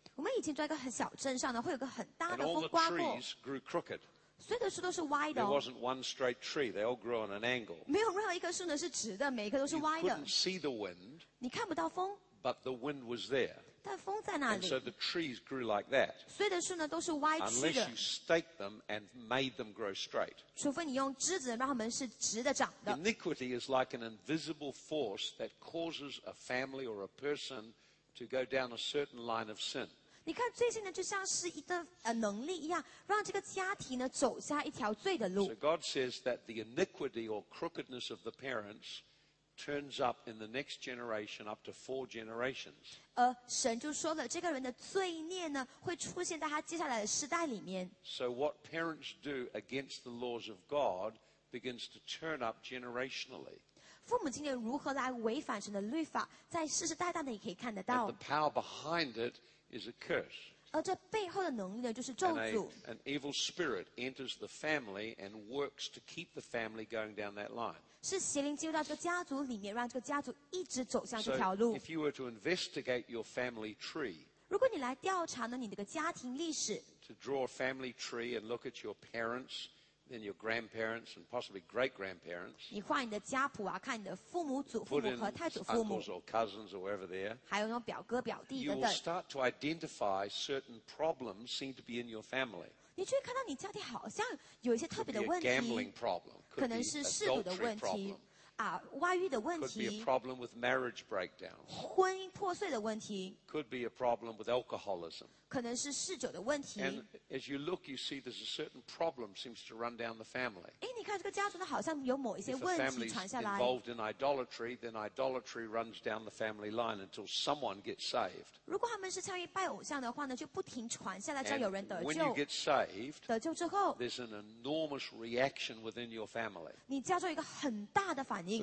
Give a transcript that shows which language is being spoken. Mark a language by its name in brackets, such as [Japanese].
[Chinese] 我们以前住在一个很小镇上呢，会有个很大的风刮过。 [English] And all the trees grew crooked. [Chinese] 所有的树都是歪的。 [English] There wasn't one straight tree; they all grew on an angle. [Chinese] 没有任何一棵树呢是直的，每一棵都是歪的。 [English] You couldn't see the wind. [Chinese] 你看不到风。 [English] But the wind was there. [Chinese] 但风在哪里？ [English] And so the trees grew like that. [Chinese] 所以的树呢都是歪曲的。 [English] Unless you stake them and made them grow straight. [Chinese] 除非你用枝子让它们是直的长的。 [English] Iniquity is like an invisible force that causes a family or a person to go down a certain line of sin. [Chinese] 你看罪性呢就像是一个能力一样让这个家庭呢走下一条罪的路。 [English] So God says that the iniquity or crookedness of the parents turns up in the next generation up to four generations. [Chinese] 神就说了这个人的罪孽呢会出现在他接下来的世代里面。 [English] So what parents do against the laws of God begins to turn up generationally. [Chinese] 父母今天如何来违反神的律法在世世代代的也可以看得到。 [English] And the power behind it is a curse. [Chinese] 而这背后的能力呢就是咒诅。 [English] An evil spirit enters the family and works to keep the family going down that line. [Chinese] 是邪灵进入到这个家族里面让这个家族一直走向这条路。 [English] So if you were to investigate your family tree, [Chinese] 如果你来调查呢你的个家庭历史 [English] to draw a family tree and look at your parents,Then your grandparents and possibly great-grandparents. [Chinese] 你画你的家谱啊，看你的父母、祖父母和太祖父母。 [English] Uncles or cousins or whatever there. [Chinese] 还有那种表哥、表弟等等。 [English] You will start to identify certain problems seem to be in your family. [Chinese] 你就会看到你家庭好像有一些特别的问题。 [English] Could be a gambling problem. [Chinese] 可能是嗜赌的问题。啊，外遇的问题。 [English] Could be a problem with marriage breakdown. [Chinese] 婚姻破碎的问题。 [English] Could be a problem with alcoholism. [Chinese] 可能是嗜酒的问题。 [English] And as you look, you see there's a certain problem seems to run down the family. [Chinese] 哎，你看这个家族呢，好像有某一些问题传下来。 [English] If a family's involved in idolatry, then idolatry runs down the family line until someone gets saved. [Chinese] 如果他们是参与拜偶像的话呢，就不停传下来，叫有人得救。 [English] And when you get saved, [Chinese] 得救之后 [English] there's an enormous reaction within your family. [Chinese] 你家中一个很大的反应。